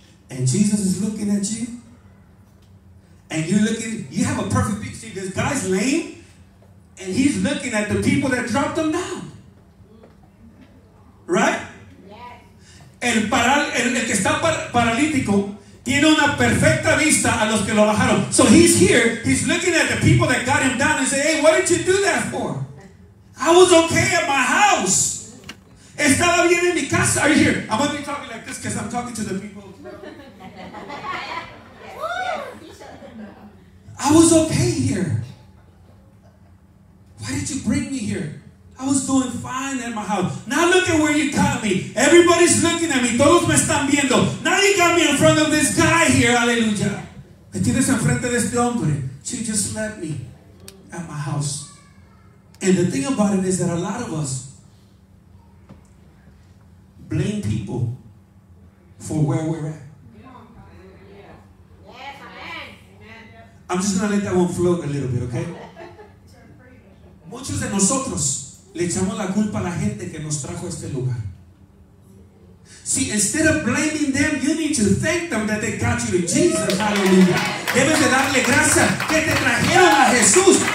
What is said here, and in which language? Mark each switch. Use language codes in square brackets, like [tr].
[en] And Jesus is looking at you. And you're looking, you have a perfect picture. This guy's lame. And he's looking at the people that dropped him down. Right? [es] El que está paralítico tiene una perfecta vista a los que lo bajaron. [en] So he's here. He's looking at the people that got him down and say, hey, what did you do that for? I was okay at my house. [es] Estaba bien en mi casa. [en] Are you here? I'm going to be talking like this because I'm talking to the people. I was okay here. Why did you bring me here? I was doing fine at my house. Now look at where you got me. Everybody's looking at me. [es] Todos me están viendo. [en] Now you got me in front of this guy here. Aleluya. [es] Me tienes enfrente de este hombre. [en] She just left me at my house. And the thing about it is that a lot of us blame people for where we're at. Yes, amen. I'm just going to let that one float a little bit, okay? [es] muchos de nosotros le echamos la culpa a la gente que nos trajo a este lugar. [en] See, instead of blaming them, you need to thank them that they got you to Jesus. Hallelujah. [es] Debes de darle gracias que te trajeron a Jesús.